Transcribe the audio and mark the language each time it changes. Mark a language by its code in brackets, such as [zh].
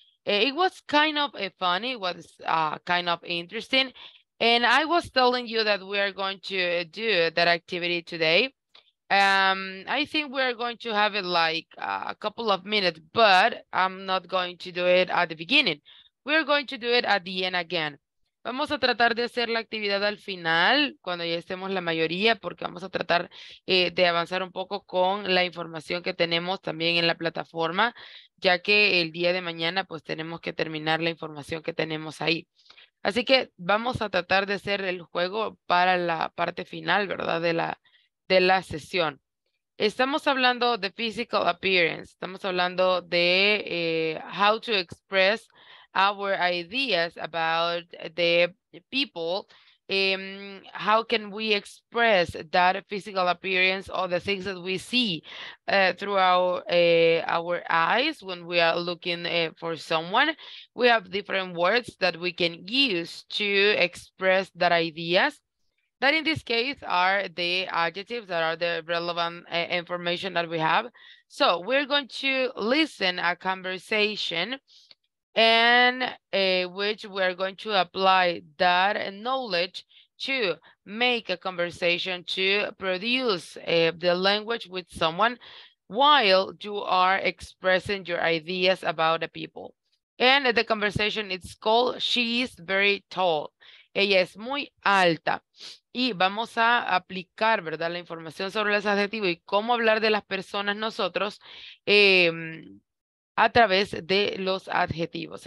[en] It was kind of funny, was kind of interesting. And I was telling you that we are going to do that activity today. I think we're going to have it a couple of minutes, but I'm not going to do it at the beginning. We're going to do it at the end again. [es] Vamos a tratar de hacer la actividad al final, cuando ya estemos la mayoría, porque vamos a tratar de avanzar un poco con la información que tenemos también en la plataforma, ya que el día de mañana pues tenemos que terminar la información que tenemos ahí. Así que vamos a tratar de hacer el juego para la parte final, ¿verdad?, de la sesión. Estamos hablando de physical appearance, estamos hablando de [en] how to express our ideas about the people, how can we express that physical appearance or the things that we see through our eyes when we are looking for someone. We have different words that we can use to express that ideas, that in this case are the adjectives that are the relevant information that we have. So we're going to listen a conversation and which we're going to apply that knowledge to make a conversation, to produce the language with someone while you are expressing your ideas about the people. And the conversation is called She's Very Tall. [es] Ella es muy alta. Y vamos a aplicar, ¿verdad?, la información sobre los adjetivos y cómo hablar de las personas nosotros a través de los adjetivos.